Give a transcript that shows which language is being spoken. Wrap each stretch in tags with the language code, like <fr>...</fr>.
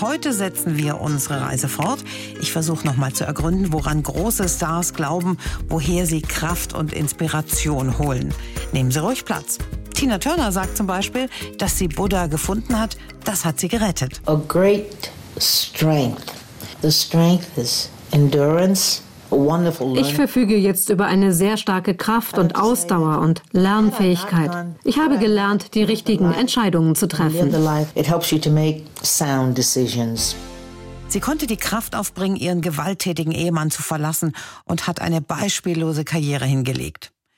<de>Heute setzen wir unsere Reise fort. Ich versuche nochmal zu ergründen, woran große Stars glauben, woher sie Kraft und Inspiration holen. Nehmen Sie ruhig Platz. Tina Turner sagt zum Beispiel, dass sie Buddha gefunden hat, das hat sie gerettet.</de> <en>A great strength. The strength is endurance.</en> <de>Ich verfüge jetzt über eine sehr starke Kraft und Ausdauer und Lernfähigkeit. Ich habe gelernt, die richtigen Entscheidungen zu treffen. Sie konnte die Kraft aufbringen, ihren gewalttätigen Ehemann zu verlassen und hat eine beispiellose Karriere hingelegt.</de>